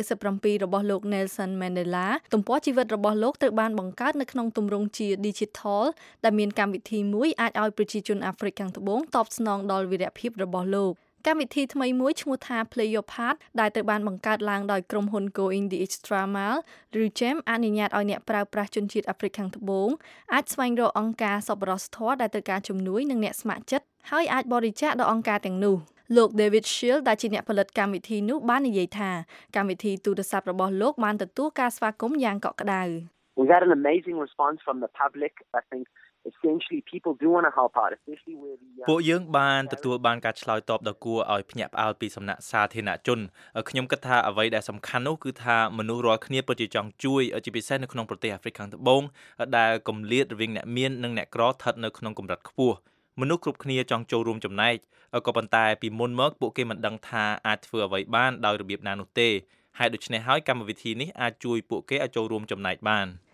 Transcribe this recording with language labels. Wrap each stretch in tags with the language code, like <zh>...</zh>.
<km>97របស់លោក Nelson Mandela ទំព័រជីវិតរបស់លោកត្រូវបានបង្កើតនៅក្នុងទម្រង់ជា Digital ដែលមានកម្មវិធីមួយអាចឲ្យប្រជាជនអាហ្វ្រិកខាងត្បូងតបស្នងដល់វីរភាពរបស់លោកកម្មវិធីថ្មីមួយឈ្មោះថា Play Your Part ដែលត្រូវបានបង្កើតឡើងដោយក្រុមហ៊ុន Going the Extra Mile ឬ GEM អនុញ្ញាតឲ្យអ្នកប្រើប្រាស់ជនជាតិអាហ្វ្រិកខាងត្បូង អាចស្វែងរកអង្គការសប្បុរសធម៌ដែលត្រូវការជំនួយនិងអ្នកស្ម័គ្រចិត្តហើយអាចបរិច្ចាគដល់អង្គការទាំងនោះលោក David Shield ដែលជាអ្នកផលិតកម្មវិធីនោះបាននិយាយថាកម្មវិធីទូរស័ព្ទរបស់លោកបានទទួលការស្វាគមន៍យ៉ាងកក់ក្តៅ</km> <en>We got an amazing response from the public I think essentially people do want to help out especially where the</en> <km>ពួកយើងបានទទួលបានការឆ្លើយតបដ៏គួរឲ្យភ្ញាក់ផ្អើលពីសំណាក់សាធារណជនខ្ញុំគិតថាអ្វីដែលសំខាន់នោះគឺថាមនុស្សរាល់គ្នាពិតជាចង់ជួយជាពិសេសនៅក្នុងប្រទេសអាហ្វ្រិកខាងត្បូងដែលកំលៀតរវាងអ្នកមាននិងអ្នកក្រស្ថិតនៅក្នុងកម្រិតខ្ពស់មនុស្សគ្រប់គ្នាចង់ចូលរួមចំណែកក៏ប៉ុន្តែពីមុនមកពួកគេមិនដឹងថាអាចធ្វើអ្វីបានដោយរបៀបណានោះទេហើយដូច្នេះហើយកម្មវិធីនេះអាចជួយពួកគេឲ្យចូលរួមចំណែកបាន</km>